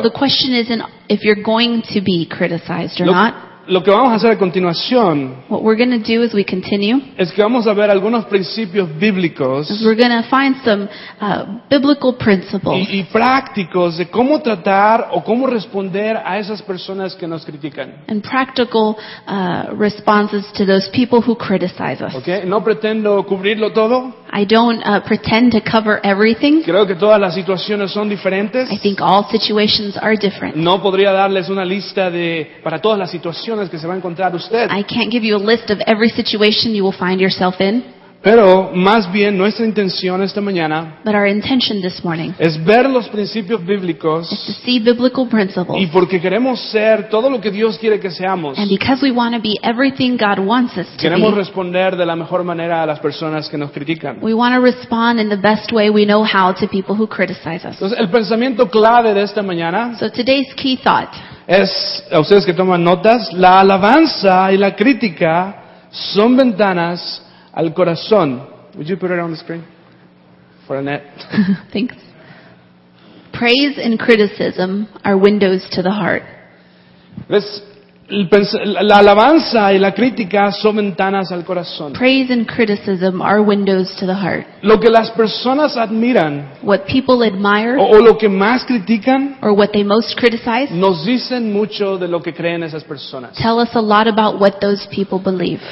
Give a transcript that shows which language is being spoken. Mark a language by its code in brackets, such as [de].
[en] So the question isn't if you're going to be criticized or not. [es] Lo que vamos a hacer a continuación, [en] what we're going to do as we continue, [es] es que vamos a ver algunos principios bíblicos, [en] we're going to find some biblical principles, [es] y prácticos de cómo tratar o cómo responder a esas personas que nos critican. [en] And practical responses to those people who criticize us. [es] Okay, no pretendo cubrirlo todo. [en] I don't pretend to cover everything. [es] Creo que todas las situaciones son diferentes. [en] I think all situations are different. [es] No podría darles una lista de para todas las situaciones que se va a encontrar usted. [en] I can't give you a list of every situation you will find yourself in. [es] Pero más bien nuestra intención esta mañana, [en] but our intention this morning, [es] es ver los principios bíblicos, [en] is to see biblical principles, [es] y porque queremos ser todo lo que Dios quiere que seamos, [en] and because we want to be everything God wants us to be, [es] queremos responder de la mejor manera a las personas que nos critican. [en] We want to respond in the best way we know how to people who criticize us. [es] Entonces, el pensamiento clave de esta mañana, [en] so today's key thought, [es] es, a ustedes que toman notas, la alabanza y la crítica son ventanas al corazón. [en] Would you put it on the screen? For Annette. Thanks. Praise and criticism are windows to the heart. [es] ¿Ves? La alabanza y la crítica son ventanas al corazón. [en] Praise and criticism are windows to the heart. [es] Lo que las personas admiran, [en] what people admire, [es] o lo que más critican, [en] or what they most criticize, [es] nos dicen mucho de lo que creen esas personas. [en] Tell us a lot about what those people believe.